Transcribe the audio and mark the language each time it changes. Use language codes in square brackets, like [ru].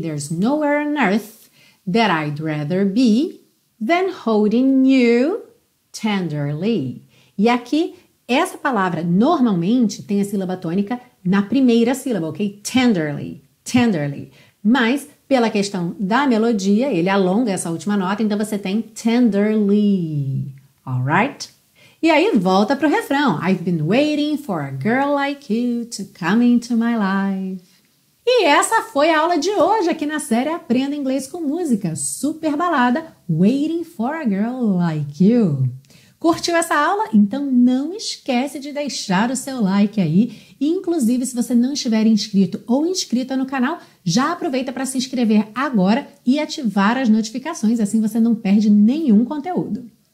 [en] There's nowhere on earth that I'd rather be than holding you tenderly. [pt] E aqui, essa palavra normalmente tem a sílaba tônica na primeira sílaba, ok? Tenderly, tenderly. Mas Pela questão da melodia, ele alonga essa última nota, então você tem tenderly, alright? E aí volta pro refrão. [en] I've been waiting for a girl like you to come into my life. [pt] E essa foi a aula de hoje aqui na série Aprenda Inglês com Música, super balada, Waiting for a Girl Like You. Curtiu essa aula? Então não esquece de deixar o seu like aí. Inclusive, se você não estiver inscrito ou inscrita no canal, já aproveita para se inscrever agora e ativar as notificações, assim você não perde nenhum conteúdo.